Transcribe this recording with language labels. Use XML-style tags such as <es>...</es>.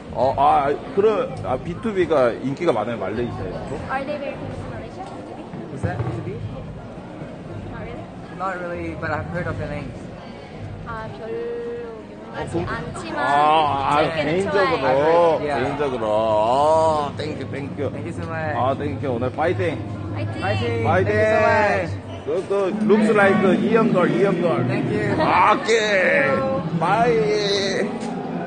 <ko>아, 그럼, 아, B2B가 인기가 많아요, 말레이시아에서.</ko> <en>Are they very famous in Malaysia? B2B? Is that B2B? Not really. Not really, but I've heard of their names.</en> <ko>아, 별로 유명하지 않지만. 아, 개인적으로. 개인적으로. 아, 땡큐, 땡큐.</ko> <en>Thank you so much.</en> <ko>아, 땡큐. 오늘 파이팅. 파이팅.</ko> <en>파이팅. Good, good. Looks like a young girl, young girl. Thank you. Okay. Bye.</en>